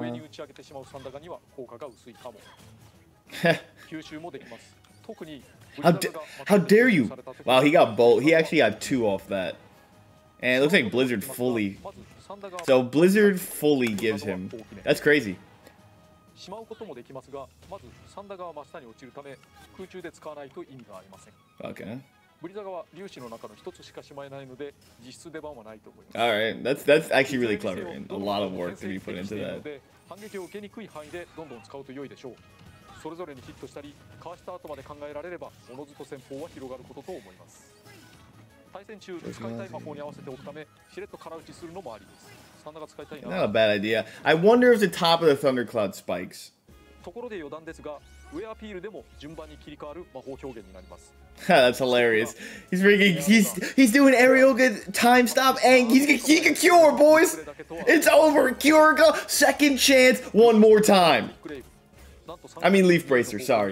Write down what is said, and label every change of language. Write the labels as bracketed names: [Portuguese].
[Japanese] 上に打ち上げてしまうサンダガには効果が薄いかも。吸収もできます。特に、 [English] How dare you? Wow, he got both. He actually got two off that. And it looks like Blizzard fully. So Blizzard fully gives him. That's crazy. [Japanese] しまうこともできますが、まずサンダガは真下に落ちるため、空中で使わないと意味がありません。 [English] Okay. [Japanese] ブリザガは粒子の中の一つしかしまえないので、実質出番はないと思います。 [English] All right, that's actually really clever. A lot of work to be put into that. [Japanese] 反撃を受けにくい範囲でどんどん使うと良いでしょう。それぞれにヒットしたり、かわした後まで考えられれば、おのずと戦法は広がることと思います。対戦中使いたい魔法に合わせておくためしれっとから打ちするのもありです。 [English] Not a bad idea. I wonder if the top of the Thundercloud spikes. [Japanese] ところで余談ですが、ウェアピールでも順番に切り替わる魔法表現になります。 [English] That's hilarious. He's freaking, he's doing Arioka time stop and he can cure, boys. It's over. Kyoruka, second chance, one more time. I mean, leaf bracer. Sorry.